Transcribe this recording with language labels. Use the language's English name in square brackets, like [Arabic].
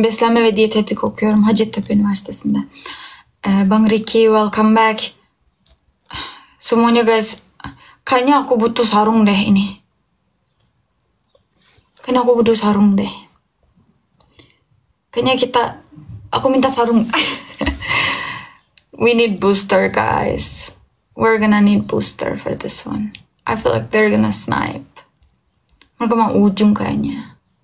[Turkish] Beslenme ve diyetetik okuyorum Hacettepe Üniversitesi'nde. [English] Bang Ricky, welcome back. [Indonesian] Semuanya guys, kayaknya aku butuh sarung deh ini. Kayaknya aku butuh sarung deh. Kayaknya kita, aku minta sarung. [English] We need booster, guys. We're gonna need booster for this one. I feel like they're gonna snipe. [Indonesian] Mereka mau ujung kayaknya.